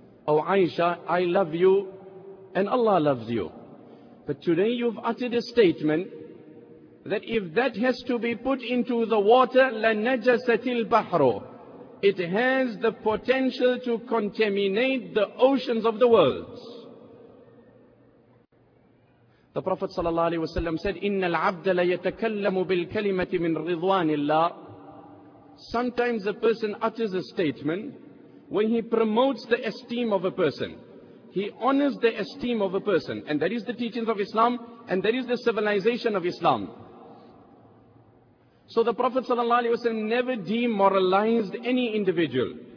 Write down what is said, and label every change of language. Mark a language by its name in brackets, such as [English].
[English] Oh Aisha, I love you and Allah loves you. But today you've uttered a statement that if that has to be put into the water, [Arabic] لَنَجَسَتِ الْبَحْرُ, [English] it has the potential to contaminate the oceans of the world. The Prophet ﷺ said, [Arabic] إِنَّ الْعَبْدَ لَيَتَكَلَّمُ بِالْكَلِمَةِ مِنْ رِضْوَانِ اللَّهِ. [English] Sometimes a person utters a statement when he promotes the esteem of a person. He honors the esteem of a person. And that is the teachings of Islam, and that is the civilization of Islam. So the Prophet ﷺ never demoralized any individual.